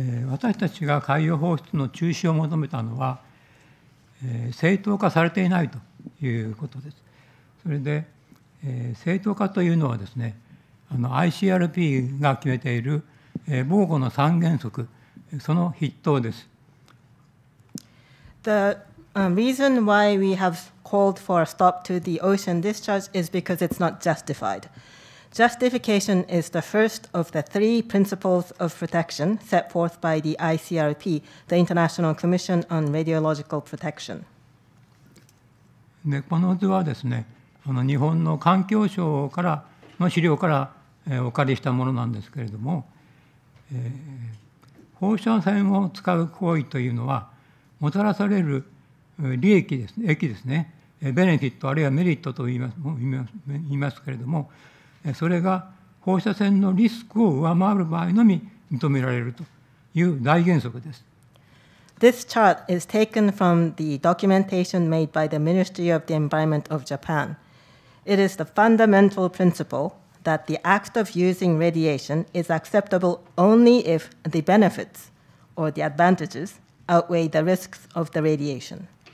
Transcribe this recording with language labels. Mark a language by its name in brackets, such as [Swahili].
[Japanese] 私たちが海洋放出の中止を求めたのは、正当化されていないということです。それで、正当化というのはですね、あの ICRP が決めている防護の三原則、その筆頭です。 [English] The reason why we have called for a stop to the ocean discharge is because it's not justified. Justification is the first of the three principles of protection set forth by the ICRP, the International Commission on Radiological Protection. [Japanese] で、この図はですね、あの日本の環境省からの資料から、お借りしたものなんですけれども、放射線を使う行為というのは、もたらされる利益ですね、益ですね、ベネフィット、あるいはメリットと言いますけれども、それが放射線のリスクを上回る場合のみ認められるという大原則です。 [English] This chart is taken from the documentation made by the Ministry of the Environment of Japan. It is the fundamental principle that the act of using radiation is acceptable only if the benefits or the advantages outweigh the risks of the radiation.